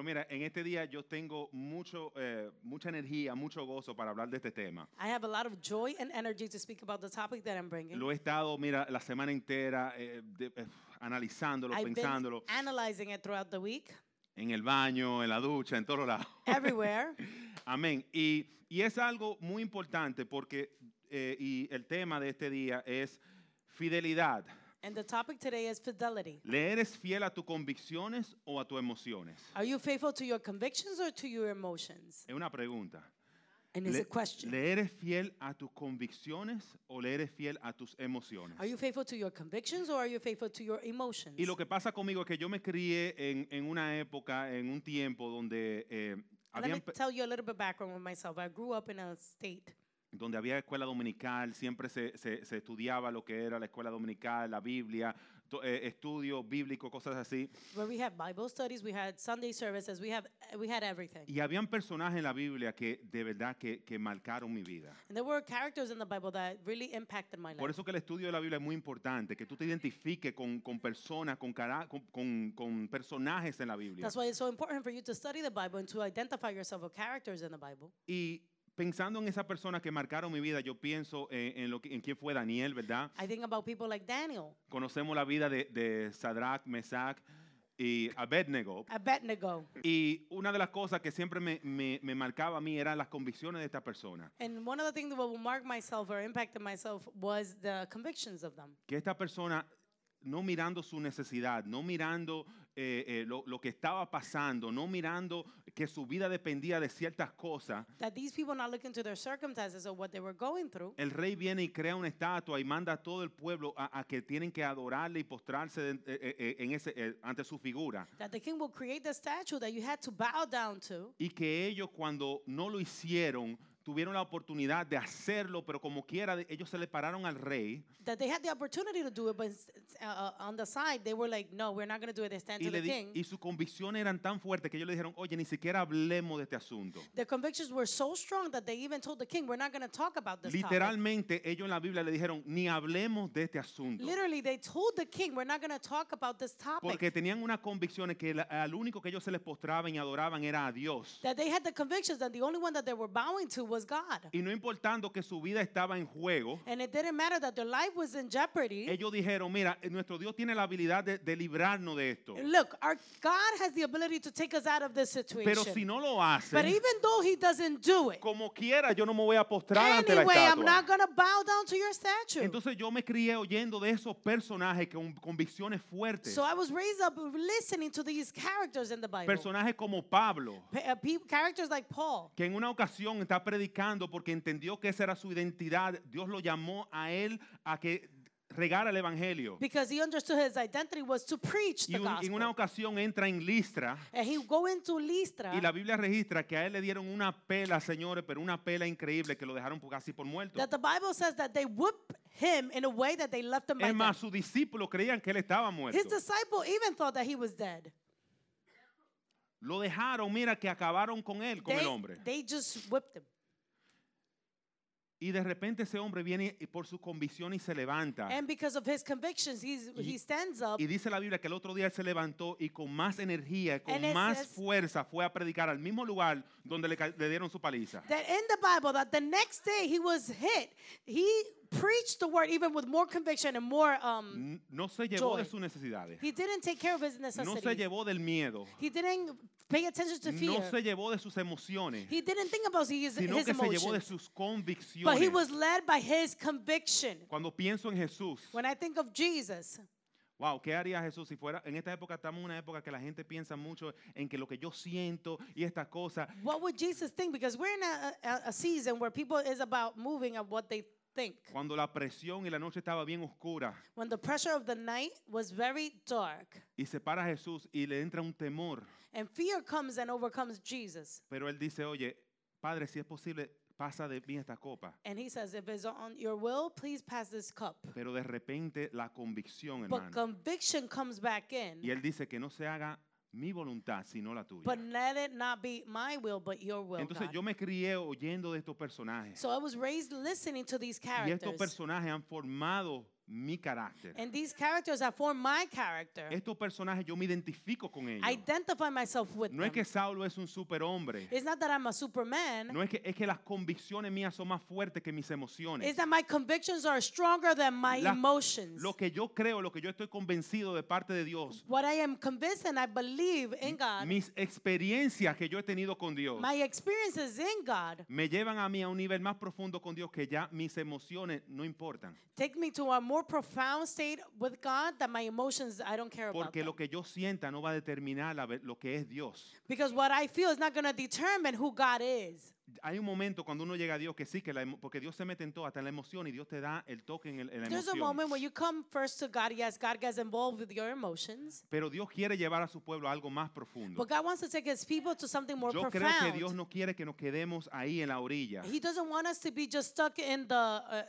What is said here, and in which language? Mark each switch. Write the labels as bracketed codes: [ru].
[es] mira, en este día yo tengo mucho, mucha energía, mucho gozo para hablar de este tema. [en] I have a lot of joy and energy to speak about the topic that I'm bringing. [es] Lo he estado, mira, la semana entera analizándolo, [en] I've [es] pensándolo. [en] Been analyzing it throughout the week. [es] En el baño, en la ducha, en todos lados. [en] Everywhere. [es] Amén. Y es algo muy importante porque y el tema de este día es fidelidad. [en] And the topic today is fidelity. [es] ¿Le eres fiel a tus convicciones o a tus emociones? [en] Are you faithful to your convictions or to your emotions? [es] Es una pregunta. [en] And it's a question. [es] ¿Le eres fiel a tus convicciones o le eres fiel a tus emociones? [en] Are you faithful to your convictions or are you faithful to your emotions? [es] Y lo que pasa conmigo es que yo me crié en una época, en un tiempo donde [en] Let me tell you a little bit background with myself. I grew up in a state. [es] Donde había escuela dominical, siempre se estudiaba lo que era la escuela dominical, la Biblia, estudio bíblico, cosas así. [en] Where we had Bible studies, we had Sunday services, we had everything. [es] Y habían personajes en la Biblia que de verdad que marcaron mi vida. [en] And there were characters in the Bible that really impacted my life. [es] Por eso que el estudio de la Biblia es muy importante, que tú te identifiques con personas, con personajes en la Biblia. [en] That's why it's so important for you to study the Bible and to identify yourself with characters in the Bible. [es] Y pensando en esa persona que marcaron mi vida, yo pienso en quién fue Daniel, ¿verdad? [en] I think about people like Daniel. [es] Conocemos la vida de Sadrach, Mesach y Abednego. Abednego. Y una de las cosas que siempre me marcaba a mí eran las convicciones de esta persona. [en] And one of the things that will mark myself or impact myself was the convictions of them. [es] Que esta persona, no mirando su necesidad, no mirando lo que estaba pasando, no mirando que su vida dependía de ciertas cosas. [en] That these people not looking to their circumstances or what they were going through. [es] El rey viene y crea una estatua y manda a todo el pueblo a que tienen que adorarle y postrarse ante su figura. [en] That the king will create the statue that you had to bow down to. [es] Y que ellos cuando no lo hicieron, tuvieron la oportunidad de hacerlo, pero como quiera, ellos se le pararon al rey. [en] That they had the opportunity to do it, but on the side, they were like, no, we're not going to do it, they stand to the king. [es] Y su convicción eran tan fuerte que ellos le dijeron, oye, ni siquiera hablemos de este asunto. [en] The convictions were so strong that they even told the king, we're not going to talk about this [es] Literalmente, [en] topic. [es] Ellos en la Biblia le dijeron, ni hablemos de este asunto. [en] Literally, they told the king, we're not going to talk about this topic. [es] Porque tenían una convicción que al único que ellos se les postraban y adoraban era a Dios. [en] That they had the convictions that the only one that they were bowing to was God. [es] Y no importando que su vida estaba en juego, [en] and it didn't matter that their life was in jeopardy. [es] Ellos dijeron, mira, nuestro Dios tiene la habilidad de librarnos de esto. [en] Look, our God has the ability to take us out of this situation. [es] Pero si no lo hace, [en] but even though he doesn't do it, [es] como quiera, yo no me voy a postrar [en] anyway, [es] ante la estatua. [en] I'm not going to bow down to your statue. [es] Entonces yo me crié oyendo de esos personajes con convicciones fuertes. [en] So I was raised up listening to these characters in the Bible. [es] Personajes como Pablo. [en] Characters like Paul. [es] Que en una ocasión está predicando porque entendió que esa era su identidad. Dios lo llamó a él a que regara el evangelio. [en] Because he understood his identity was to preach the gospel. [es] Y en una ocasión entra en Listra. [en] And he go into Listra. [es] Y la Biblia registra que a él le dieron una pela, señores, pero una pela increíble que lo dejaron casi por muerto. [en] That the Bible says that they whoop him in a way that they left him by death. [es] Sus discípulos creían que él estaba muerto. [en] His disciple even thought that he was dead. [es] Lo dejaron, mira, que acabaron con él, con [en] they, [es] el hombre. [en] They just whipped him. [es] Y de repente ese hombre viene por su convicción y se levanta. [en] And because of his convictions, he stands up. [es] Y dice la Biblia que el otro día se levantó y con más energía, con más fuerza, fue a predicar al mismo lugar donde le dieron su paliza. [en] That in the Bible, that the next day he was hit, he preached the word even with more conviction and more [es] No se llevó de sus necesidades. [en] He didn't take care of his necessities. [es] No se llevó del miedo. [en] He didn't pay attention to fear. [es] No se llevó de sus emociones. [en] He didn't think about his emotions. [es] Sino que se llevó de sus convicciones. [en] But he was led by his conviction. [es] Cuando pienso en Jesús. [en] When I think of Jesus. [es] Wow, ¿qué haría Jesús si fuera? En esta época estamos en una época que la gente piensa mucho en que lo que yo siento y estas cosas. [en] What would Jesus think? Because we're in a season where people is about moving of what they think. [es] Cuando la presión y la noche estaba bien oscura. [en] When the pressure of the night was very dark. [es] Y se para Jesús y le entra un temor. [en] And fear comes and overcomes Jesus. [es] Pero él dice, oye, Padre, si es posible, pasa de mí esta copa. [en] And he says, if it's on your will, please pass this cup. [es] Pero de repente la convicción, hermano. [en] But conviction comes back in. [es] Y él dice que no se haga mi voluntad, sino la tuya. [en] But let it not be my will, but your will. [es] Entonces, [en] God. [es] Yo me crié oyendo de estos personajes. [en] So I was raised listening to these characters. [es] Y estos personajes han formado mi carácter. [en] And these characters are for my character. [es] Estos personajes yo me identifico con ellos. [en] I identify myself with them. [es] No es que Saulo es un superhombre. [en] It's not that I'm a superman. [es] No es que las convicciones mías son más fuertes que mis emociones. [en] It's that my convictions are stronger than my emotions. [es] Lo que yo creo, lo que yo estoy convencido de parte de Dios. [en] What I am convinced and I believe in God. [es] Mis experiencias que yo he tenido con Dios. [en] My experiences in God. [es] Me llevan a mí a un nivel más profundo con Dios que ya mis emociones no importan. [en] Take me to a more profound state with God that my emotions I don't care [es] porque [en] about [es] lo que yo sienta no va a determinar lo que es Dios. [en] Because what I feel is not going to determine who God is. [es] Hay un momento cuando uno llega a Dios que sí, que porque Dios se mete en todo, hasta en la emoción, y Dios te da el toque en la emoción. [en] There's a moment when you come first to God, yes, God gets involved with your emotions. [es] Pero Dios quiere llevar a su pueblo a algo más profundo. [en] But God wants to take his people to something more [es] yo [en] profound. [es] Yo creo que Dios no quiere que nos quedemos ahí en la orilla. [en] He doesn't want us to be just stuck in the